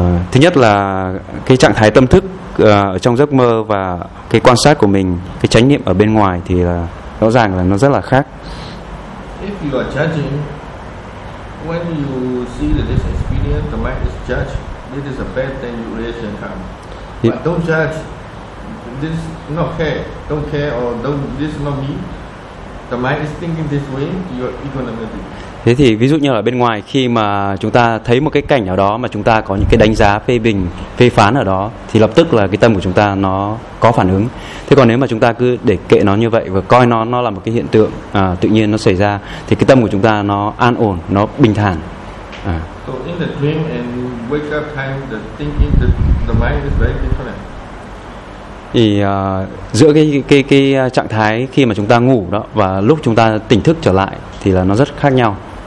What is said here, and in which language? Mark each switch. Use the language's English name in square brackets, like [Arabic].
[Vietnamese] Thứ nhất là cái trạng thái tâm thức ở trong giấc mơ và cái quan sát của mình, cái chánh niệm ở bên ngoài thì là rõ ràng là nó rất là khác. [English] If you are judging, when you see that this experience, the mind is judged, it is a bad thing, you reaction come. But don't judge. This not care, don't care, or don't, this not me. The mind is thinking this way, you're ignorant. [Vietnamese] Thế thì ví dụ như là bên ngoài khi mà chúng ta thấy một cái cảnh nào đó mà chúng ta có những cái đánh giá phê bình, phê phán ở đó thì lập tức là cái tâm của chúng ta nó có phản ứng. Thế còn nếu mà chúng ta cứ để kệ nó như vậy và coi nó là một cái hiện tượng tự nhiên nó xảy ra thì cái tâm của chúng ta nó an ổn, nó bình thản. [English] So in the dream and wake up time, the thinking, the mind is very different. [Vietnamese] Thì giữa cái trạng thái khi mà chúng ta ngủ đó và lúc chúng ta tỉnh thức trở lại thì là nó rất khác nhau.